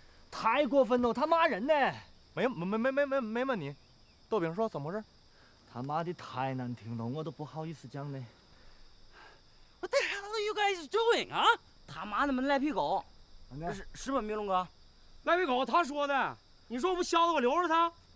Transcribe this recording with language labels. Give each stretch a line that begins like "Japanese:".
Chinese: 太过分了，他骂人呢！没骂你，豆饼说怎么回事？他骂的太难听了，我都不好意思讲呢。
English: What the hell are you guys doing 啊？
Chinese: 他妈的，赖皮狗！是吧，明龙哥？赖皮狗他说的，你说不削了我留着他？